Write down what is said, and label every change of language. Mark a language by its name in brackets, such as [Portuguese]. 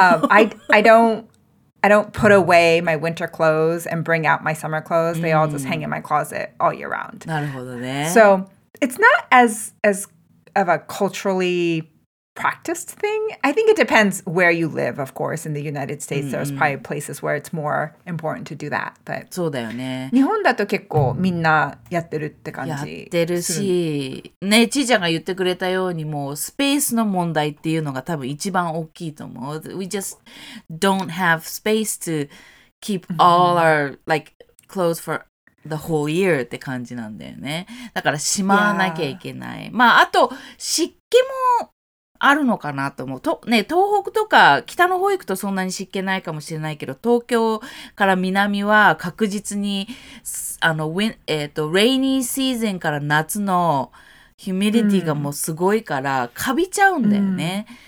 [English] I don't put away my winter clothes and bring out my summer clothes. They all just hang in my closet all year round. [Japanese] なるほどね。 [English] So it's not as of a culturally practiced thing. I think it depends where you live, of course. In the United States, there's probably places where it's more important to do that. But [Japanese] そうだよね。日本だと結構みんなやってるって感じ。やってるし、ね、ちーちゃんが言ってくれたようにもうスペースの問題っていうのが多分一番大きいと思う。 [English] We just don't have space to keep all our like clothes for the whole year [Japanese] って感じなんだよね。だからしまわなきゃいけない。 [English] Yeah. [Japanese] まああと湿気もあるのかなと思う。ね、東北とか北の方行くとそんなに湿気ないかもしれないけど、東京から南は確実にあのレイニーシーズンから夏のヒュミディティがもうすごいから、カビちゃうんだよね。